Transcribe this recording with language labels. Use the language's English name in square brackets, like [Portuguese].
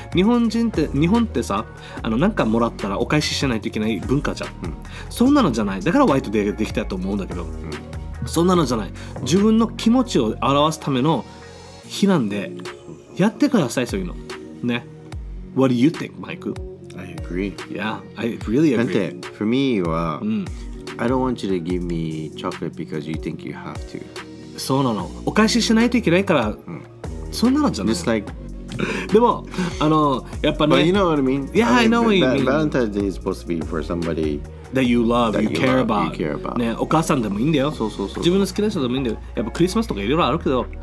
[Japanese] 日本ってさ、あのなんかもらったらお返ししないといけない文化じゃん、うん、そんなのじゃない。だからホワイトデーができたと思うんだけど、うん、そんなのじゃない。自分の気持ちを表すための日なんで、やってください、そういうのね。 [English] What do you think, Mike? I agree. Yeah, I really agree. [Japanese] なんて、 [English] for me は、うん、I don't want you to give me chocolate because you think you have to. [Japanese] そうなの。お返ししないといけないから、うん、そんなのじゃない。 [English] Just like... [Japanese] でも、あの、やっぱね。 [English] But you know what I mean? Yeah, I know what you mean. Valentine's Day is supposed to be for somebody that you love, that you care about. [Japanese] ね、お母さんでもいいんだよ。そうそうそう。自分の好きな人でもいいんだよ。やっぱクリスマスとかいろいろあるけど。